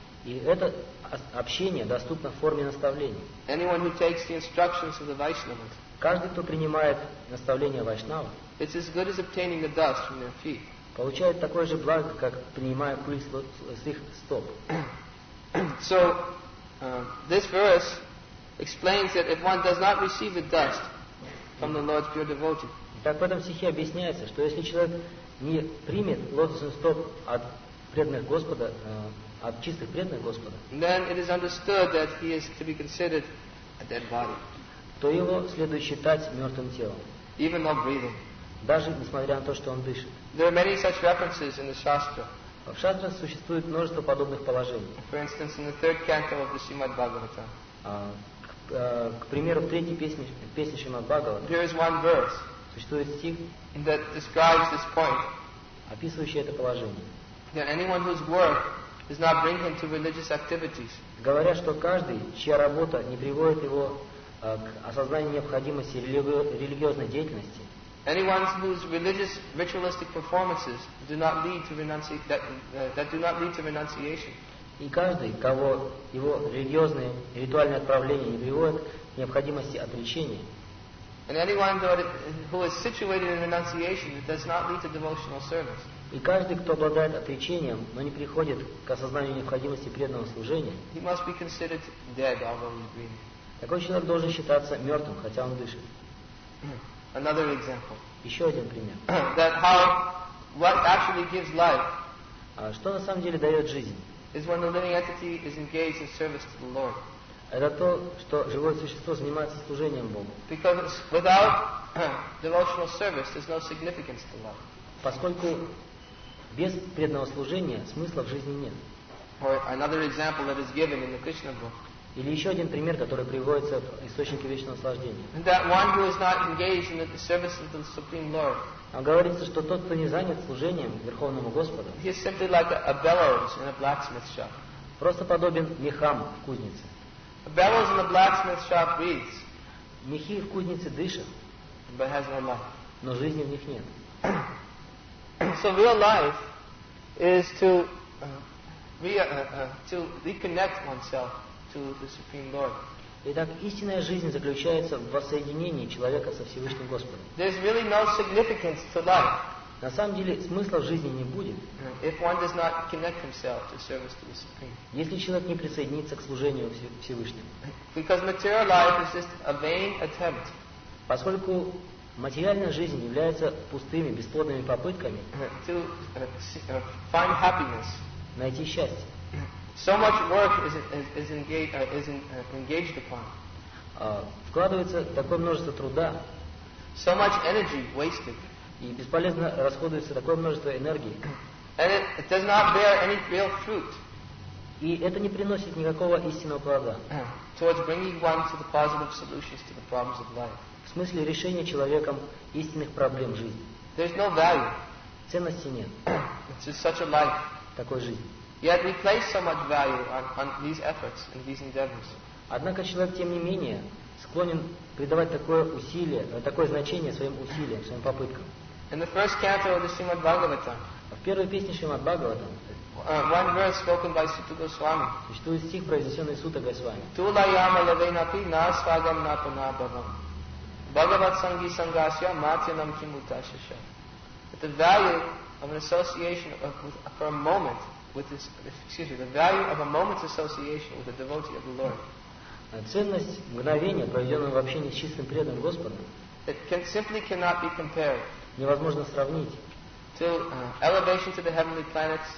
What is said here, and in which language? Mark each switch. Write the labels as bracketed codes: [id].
[ru] И это общение доступно в форме наставлений. [en] Anyone who takes the instructions of the Vaishnavas. [ru] Каждый, кто принимает наставления Вайшнава. [en] It's as good as obtaining the dust from their feet. [ru] Получает такое же благо, как принимая пыль с их стоп. [en] So, this verse explains that if one does not receive the dust from the Lord's pure devotee. [ru] Так в этом стихе объясняется, что если человек не примет лотосный стоп от преданных Господа, от чистых преданных Господа, [en] then it is understood that he is to be considered a dead body. [ru] То его следует считать мертвым телом. [en] Even though breathing. [ru] Даже несмотря на то, что он дышит. [en] There are many such references in the Shastra. [ru] В Шастре существует множество подобных положений. [en] For instance, in the third canto of the Srimad Bhagavatam. [ru] К примеру, в третьей песне Шримад Бхагаватам. [en] There is one verse. [ru] Существует стих, [en] that describes this point. [ru] Описывающий это положение. [en] That anyone whose work does not bring him to religious activities. [ru] Говоря, что каждый, чья работа не приводит его к осознанию необходимости религиозной деятельности. [en] Anyone whose religious ritualistic performances do not lead to renunciation. [ru] И каждый, кого его религиозные ритуальные отправления не приводят к необходимости отречения. [en] And anyone who is situated in renunciation does not lead to devotional service. [ru] И каждый, кто обладает отречением, но не приходит к осознанию необходимости преданного служения. [en] He must be considered dead, although he's breathing. [ru] Такой человек должен считаться мертвым, хотя он дышит. [en] Another example. [ru] Еще один пример. [en] That how what actually gives life. [ru] Что на самом деле дает жизнь? [en] Is when the living entity is engaged in service to the Lord. [ru] Это то, что живое существо занимается служением Богу. [en] Because without devotional service, there's no significance to life. [ru] Поскольку без преданного служения смысла в жизни нет. [en] Or another example that is given in the Krishna book. [ru] Или еще один пример, который приводится в источнике вечного наслаждения. [en] That one who is not engaged in the service of the Supreme Lord. [ru] А говорится, что тот, кто не занят служением Верховному Господу, [en] he is simply like a bellows in a blacksmith shop. [ru] Просто подобен мехам в кузнице. [en] A bellows in a blacksmith shop breathes. [ru] Мехи в кузнице дышат, [en] but has no life. [ru] Но жизни в них нет. [en] So real life is to reconnect oneself to the Supreme Lord. [ru] Итак, истинная жизнь заключается в воссоединении человека со Всевышним Господом. [en] There's really no significance to life. [ru] На самом деле, смысла в жизни не будет. [en] If one does not connect himself to service to the Supreme. [ru] Если человек не присоединится к служению Всевышнему. [en] Because material life is just a vain attempt. [ru] Поскольку материальная жизнь является пустыми, бесплодными попытками [en] to find happiness. [ru] Найти счастье. [en] So much work is engaged upon. [ru] Вкладывается такое множество труда. [en] So much energy wasted. [ru] И бесполезно расходуется такое множество энергии. [en] And it does not bear any real fruit. [ru] И это не приносит никакого истинного плода. [en] Towards bringing one to the positive solutions to the problems of life. [ru] В смысле решения человеком истинных проблем жизни. [en] There's no value. [ru] Ценности нет. [en] To such a life. [ru] Такой жизни. [en] Yet we place so much value on these efforts and these endeavors. [ru] Однако человек тем не менее склонен придавать такое усилие, такое значение своим усилиям, своим попыткам. [en] In the first canto of the Srimad Bhagavatam. [ru] В первой песне Шримад Бхагаватам. [en] One verse spoken by Sutta Goswami. [ru] Существует стих, произнесенный Сутта Госвами. [sa] Tula yama lavenapi na svagam na punabhavam. Bhagavat sangi sangasya matyanam kimutashasya. [en] That the value of an association for a moment with this, excuse me, the value of a moment's association with a devotee of the Lord. [ru] Ценность мгновения, проведенного в общении с чистым преданным Господом, [en] it can simply cannot be compared. [ru] Невозможно сравнить. [en] To elevation to the heavenly planets.